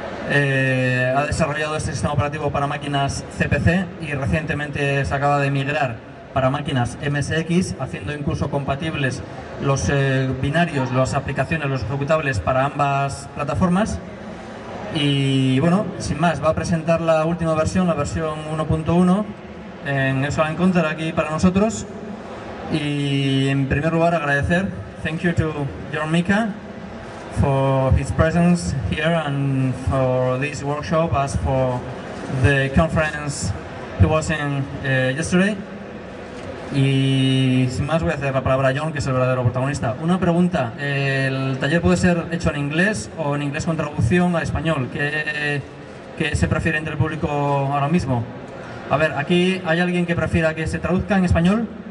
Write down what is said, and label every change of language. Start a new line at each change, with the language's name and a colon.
Spanish: Ha desarrollado este sistema operativo para máquinas CPC y recientemente se acaba de migrar para máquinas MSX, haciendo incluso compatibles los binarios, las aplicaciones, los ejecutables para ambas plataformas. Y bueno, sin más, va a presentar la última versión, la versión 1.1, en eso la encontrará aquí para nosotros. Y en primer lugar, agradecer,
English: thank you to John Mika for his presence here and for this workshop, as for the conference he was in yesterday.
Spanish: Y sin más, voy a hacer la palabra a John, que es el verdadero protagonista. Una pregunta, ¿el taller puede ser hecho en inglés o en inglés con traducción a español? ¿Qué se prefiere entre el público ahora mismo? A ver, aquí hay alguien que prefiera que se traduzca en español.